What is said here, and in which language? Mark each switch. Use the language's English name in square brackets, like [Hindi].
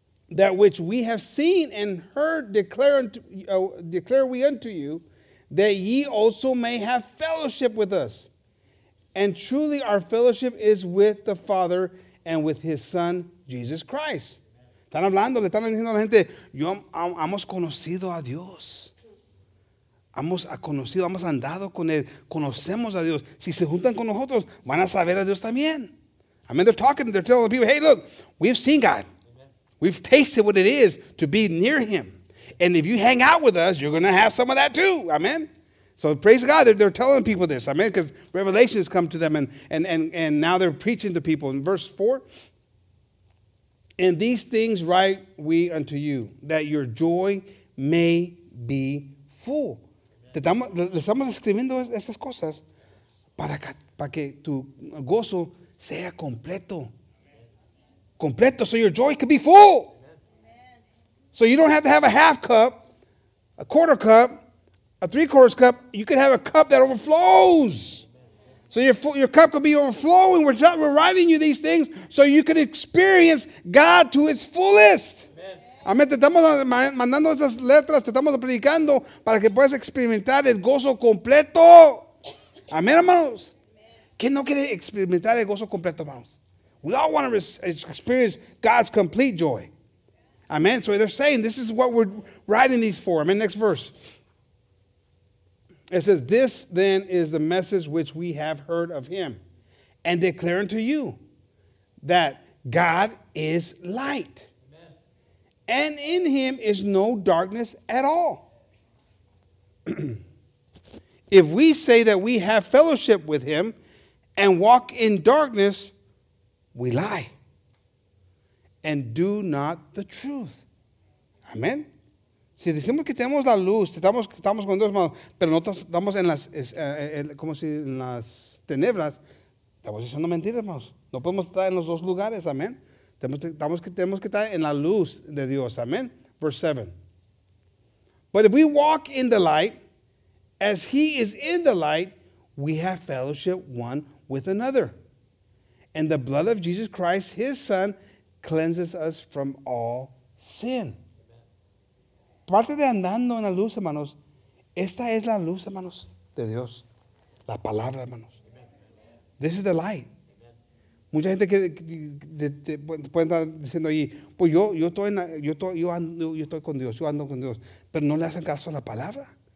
[English] That which we have seen and heard, declare we unto you, that ye also may have fellowship with us. And truly our fellowship is with the Father and with his Son, Jesus Christ. [Spanish] Están hablando, le están diciendo a la gente, yo hemos conocido a Dios. Hemos conocido, hemos andado con Él. Conocemos a Dios. Si se juntan con nosotros, van a saber a Dios también. [English] I mean, they're talking, they're telling the people, hey, look, we've seen God. We've tasted what it is to be near Him. And if you hang out with us, you're going to have some of that too. Amen. So praise God. They're telling people this. Amen. Because revelation has come to them. And now they're preaching to people. In verse 4. And these things write we unto you, that your joy may be full. [Spanish] Le estamos escribiendo estas cosas para que tu gozo sea completo. Completo. [English] So your joy could be full. So you don't have to have a half cup, a quarter cup, a three-quarters cup. You can have a cup that overflows. So your cup could be overflowing. We're writing you these things so you can experience God to its fullest. [Spanish] Amén. Te estamos mandando esas letras, te estamos predicando para que puedas experimentar el gozo completo. Amén, hermanos. ¿Quién no quiere experimentar el gozo completo, hermanos? [English] We all want to experience God's complete joy. Amen. So they're saying this is what we're writing these for. Amen. Next verse. It says, this then is the message which we have heard of him and declare unto you that God is light. Amen. And in him is no darkness at all. If we say that we have fellowship with him and walk in darkness, we lie. And do not the truth. Amen. [Spanish] Si decimos que tenemos la luz, estamos con Dios, pero no estamos en las, como si en las tinieblas, estamos diciendo mentiras, hermanos. No podemos estar en los dos lugares, amén. Tenemos que estar en la luz de Dios, amén. [English] Verse 7. But if we walk in the light, as he is in the light, we have fellowship one with another. And the blood of Jesus Christ, his son, cleanses us from all sin. [Spanish] Parte de andando en la luz, hermanos, esta es la luz, hermanos, de Dios. La palabra, hermanos. [English] This is the light. [Spanish] Mucha gente que puede estar diciendo allí, pues yo ando con Dios, pero no le hacen caso a la palabra.